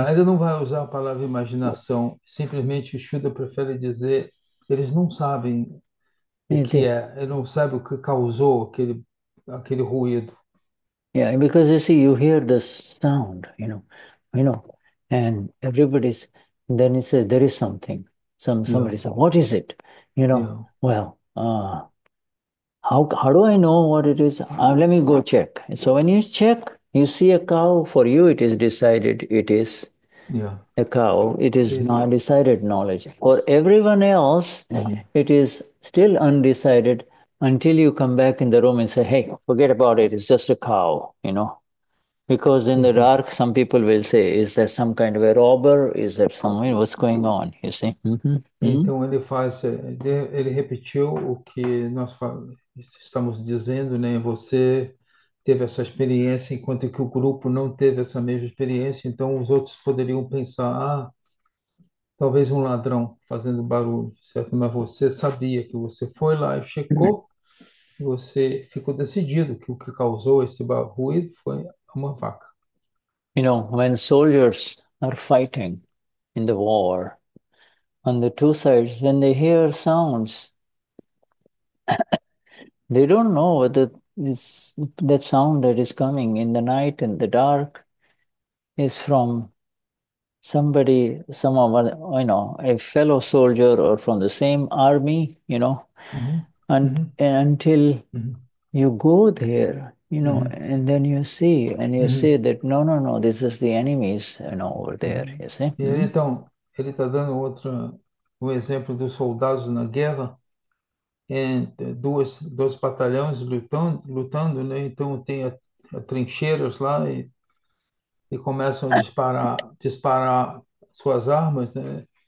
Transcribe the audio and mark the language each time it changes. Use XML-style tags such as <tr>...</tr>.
<pt>Ele não vai usar a palavra imaginação, simplesmente o Shuddha prefere dizer, eles não sabem o que é, eles não sabem o que causou aquele ruído.</pt> <en>Yeah, because you see, you hear the sound, and everybody's, then he said, there is something, somebody said, what is it? Well, how do I know what it is? Let me go check. So when you check, you see a cow, for you, it is decided it is a cow. It is not decided knowledge. For everyone else, it is still undecided. Until you come back in the room and say, hey, forget about it, it's just a cow, Because in the dark, some people will say, is there some kind of a robber? Is there someone? What's going on? You see?</en> <pt>Então ele faz, ele repetiu o que nós estamos dizendo, né? Você teve essa experiência, enquanto que o grupo não teve essa mesma experiência, então os outros poderiam pensar, ah, talvez um ladrão fazendo barulho, certo? Mas você sabia que você foi lá e checou, e você ficou decidido que o que causou esse barulho foi uma vaca.</pt> <en>When soldiers are fighting in the war, on the two sides, when they hear sounds, they don't know whether this that sound that is coming in the night and the dark is from somebody, a fellow soldier or from the same army, Until you go there, and then you see, and you see that no, this is the enemies, over there, you see?</en> <pt>E ele então, ele está dando outra um exemplo dos soldados na guerra, entre dois batalhões lutando, né? Então tem a trincheiras lá e começam a disparar suas armas, né?</pt>